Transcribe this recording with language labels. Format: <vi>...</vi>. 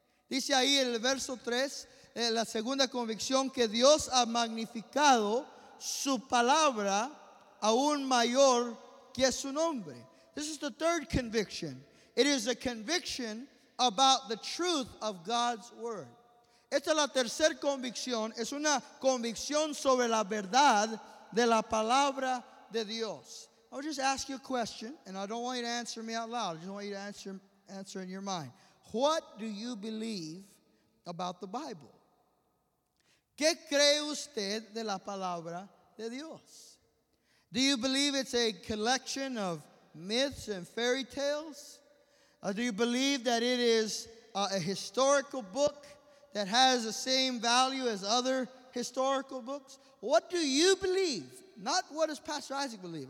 <es>Dice ahí en el verso 3, la segunda convicción, que Dios ha magnificado su palabra aún mayor que su nombre.</es> <en>This is the third conviction. It is a conviction about the truth of God's word.</en> <es>Esta es la tercera convicción. Es una convicción sobre la verdad de la palabra de Dios.</es> <en>I will just ask you a question, and I don't want you to answer me out loud. I just want you to answer in your mind. What do you believe about the Bible?</en> <es>¿Qué cree usted de la palabra de Dios?</es> <en>Do you believe it's a collection of myths and fairy tales? Or do you believe that it is a historical book that has the same value as other historical books? What do you believe? Not what does Pastor Isaac believe.</en>